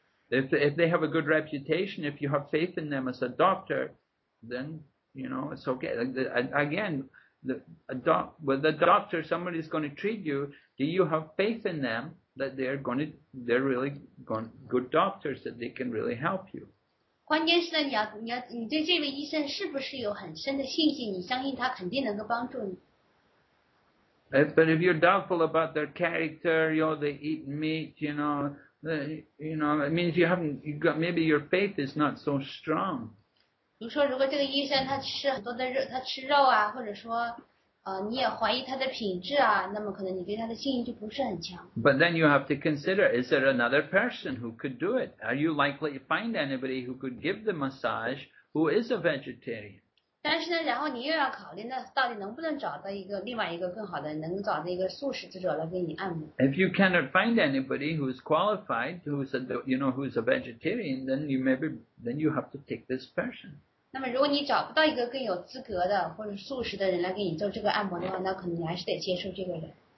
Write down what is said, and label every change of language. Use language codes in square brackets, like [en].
[en] If they have a good reputation, if you have faith in them as a doctor, then, you know, it's okay. Again, with a doctor, somebody's going to treat you. Do you have faith in them? That they're really good doctors that they can really help you. [zh] 关键是呢，你对这位医生是不是有很深的信心？你相信他肯定能够帮助你。 [en] But if you're doubtful about their character, you know, they eat meat, you know, it means you haven't, you got, maybe your faith is not so strong. [zh] 比如说，如果这个医生他吃很多的肉，他吃肉啊，或者说。你也怀疑他的品质啊，那么可能你对他的信心就不是很强。 [en] But then you have to consider, is there another person who could do it? Are you likely to find anybody who could give the massage who is a vegetarian? [zh] 但是呢，然后你又要考虑，那到底能不能找到一个另外一个更好的，能找到一个素食者来给你按摩 [en] ？If you cannot find anybody who's qualified, who's a, you know, who's a vegetarian, then you maybe then you have to take this person. [zh] 那么，如果你找不到一个更有资格的或者素食的人来给你做这个按摩的话，那可能你还是得接受这个人。